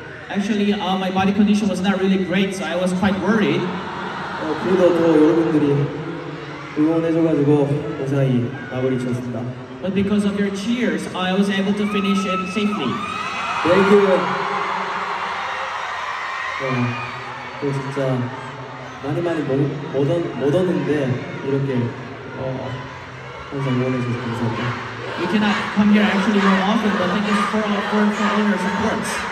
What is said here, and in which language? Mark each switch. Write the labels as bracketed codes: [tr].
[en] Actually, my body condition was not really great, so I was quite worried. [ko] 그래도 더 여러분들이 응원해줘가지고 무사히 마무리 쳤습니다. [en] But because of your cheers, I was able to finish it safely. Thank you. [ko] 그리고 진짜 많이 많이 못 얻었는데 이렇게 항상 응원해 주셔서 감사합니다. [en] We cannot come here actually more often, but thank you for all for your support.